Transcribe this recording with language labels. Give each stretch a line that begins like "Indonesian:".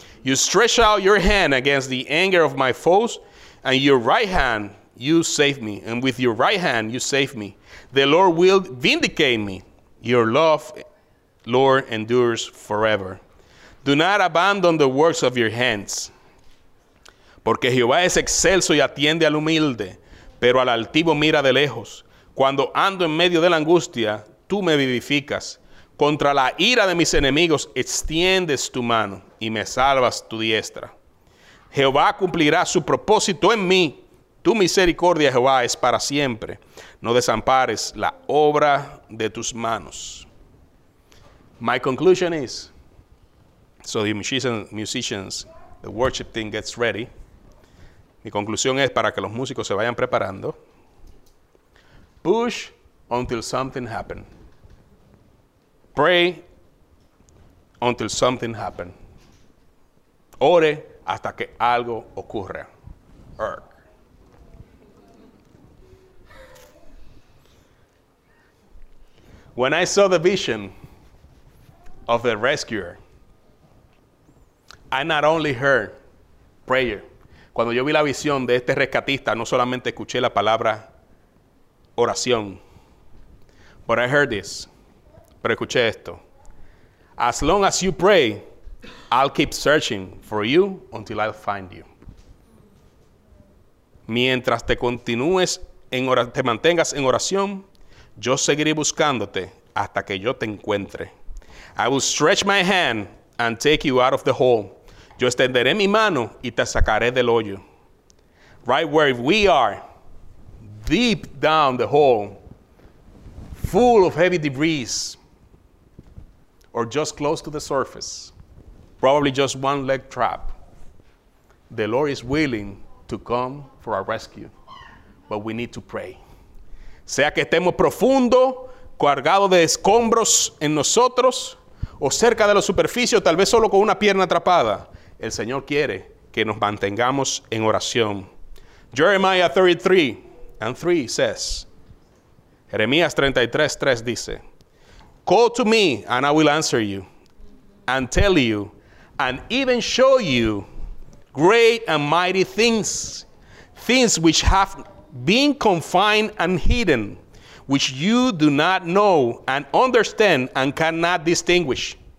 English: You stretch out your hand against the anger of my foes, and your right hand, you save me. And with your right hand, you save me. The Lord will vindicate me. Your love, Lord, endures forever. Do not abandon the works of your hands.
Spanish: Porque Jehová es excelso y atiende al humilde, pero al altivo mira de lejos. Cuando ando en medio de la angustia, tú me vivificas. Contra la ira de mis enemigos, extiendes tu mano y me salvas tu diestra. Jehová cumplirá su propósito en mí. Tu misericordia, Jehová, es para siempre. No desampares la obra de tus manos.
English: My conclusion is, so the musicians, the worship team gets ready.
Spanish: Mi conclusión es para que los músicos se vayan preparando.
English: Push until something happens. Pray until something happens.
Spanish: Ore hasta que algo ocurra.
English: When I saw the vision of the rescuer, I not only heard prayer.
Spanish: Cuando yo vi la visión de este rescatista, no solamente escuché la palabra oración,
English: but I heard this.
Spanish: Pero escuché esto.
English: As long as you pray, I'll keep searching for you until I find you.
Spanish: Mientras te continúes en te mantengas en oración, yo seguiré buscándote hasta que yo te encuentre.
English: I will stretch my hand and take you out of the hole.
Spanish: Yo extenderé mi mano y te sacaré del hoyo.
English: Right where we are, deep down the hole, full of heavy debris, or just close to the surface, probably just one leg trap, the Lord is willing to come for our rescue. But we need to pray.
Spanish: Sea que estemos profundo, cargado de escombros en nosotros, o cerca de la superficie, o tal vez solo con una pierna atrapada, el Señor quiere que nos mantengamos en oración. Jeremías 33:3 dice,
English: call to me and I will answer you and tell you and even show you great and mighty things, things which have been confined and hidden, which you do not know and understand and cannot distinguish.